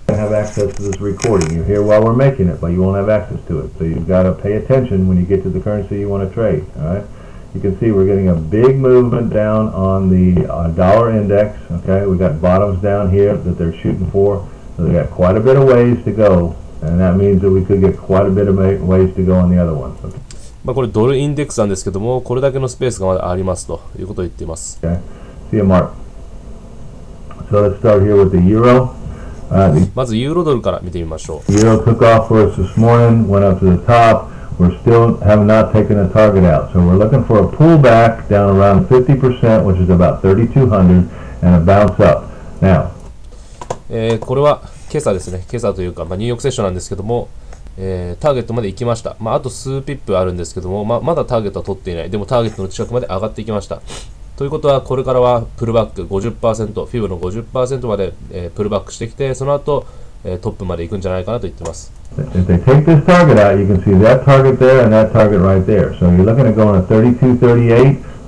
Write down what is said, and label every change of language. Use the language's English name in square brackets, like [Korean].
[English] Access to this recording. You're here while we're making it, but you won't have access to it. So you've got to pay attention when you get to the currency you want to trade. All right? You can see we're getting a big movement down on the dollar index. Okay? We've got bottoms down here that they're shooting for. So they've got quite a bit of ways to go, and that means that we could get quite a bit of ways to go on the other one. Okay? [Japanese] まあこれドルインデックスなんですけども、これだけのスペースがまだありますということを言っています。 [English] Okay? See you, Mark. So let's start here with the euro. [Japanese] まずユーロドルから見てみましょう。 [English] Euro took off for us this morning, went up to the top. We're still have not taken a target out. So we're looking for a pullback down around 50%, which is about 3200, and a bounce up. Now, [Japanese] これは今朝ですね。今朝というか、まあ、ニューヨークセッションなんですけども、ターゲットまで行きました。まあ、あと数ピップあるんですけども、まだターゲットは取っていない。でもターゲットの近くまで上がっていきました。ということは、これからはプルバック 50%、フィブの 50% まで、プルバックしてきて、その後、トップまで行くんじゃないかなと言ってます。 [English] If they take this target out, you can see that target there and that target right there. So you're looking at going to 3238,